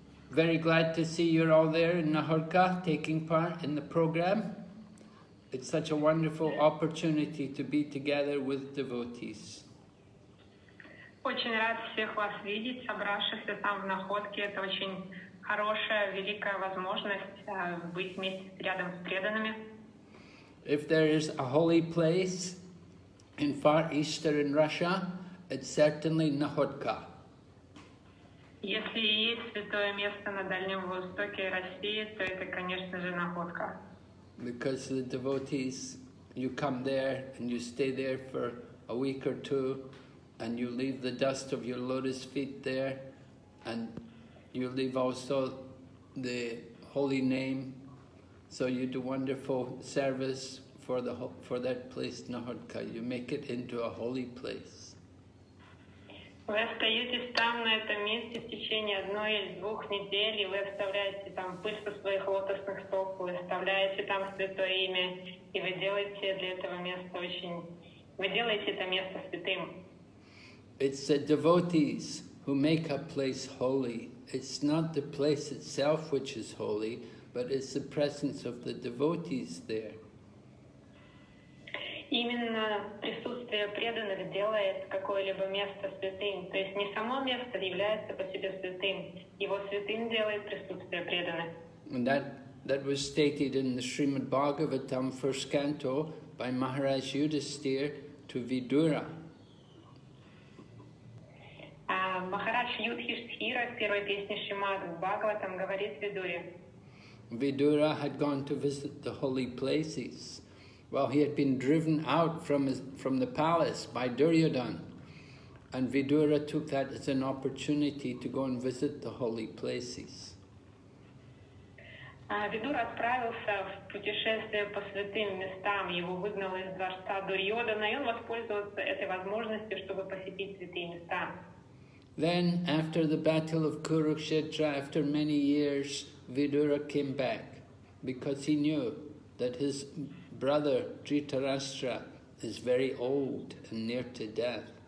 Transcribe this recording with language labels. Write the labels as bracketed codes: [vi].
[en] Very glad to see you're all there in Nahurka taking part in the program. It's such a wonderful opportunity to be together with devotees. [ru] Очень рад всех вас видеть, собравшихся там в находке. Это очень хорошая, великая возможность быть вместе рядом с преданными. [en] If there is a holy place in Far Eastern Russia, it's certainly Nahodka. [ru] Если есть святое место на Дальнем Востоке России, то это, конечно же, находка. [en] Because the devotees, you come there and you stay there for a week or two, and you leave the dust of your lotus feet there, and you leave also the holy name, so you do wonderful service for the for that place, Nahodka. You make it into a holy place. [ru] Вы остаетесь там, на этом месте, в течение одной или двух недель, и вы оставляете там пыль со своих лотосных стоп, вы оставляете там святое имя, и вы делаете для этого места вы делаете это место святым. [en] It's the devotees who make a place holy. It's not the place itself which is holy, but it's the presence of the devotees there. [ru] Именно присутствие преданных делает какое-либо место святым. То есть не само место является по себе святым, его святым делает присутствие преданных. [en] And that was stated in the Srimad Bhagavatam, first canto, by Maharaj Yudhisthira to Vidura. [ru] Махарадж Юдхиштхира в первой песне Шримад Бхагаватам говорит Видуре. [en] Vidura had gone to visit the holy places. Well, he had been driven out from the palace by Duryodhana, and Vidura took that as an opportunity to go and visit the holy places. [ru] Видур отправился в путешествие по святым местам. Его выгнал из дворца Дурьодана, и он воспользовался этой возможностью, чтобы посетить святые места. [en] Then, after the battle of Kurukshetra, after many years, Vidura came back because he knew that his brother Dhritarashtra is very old and near to death.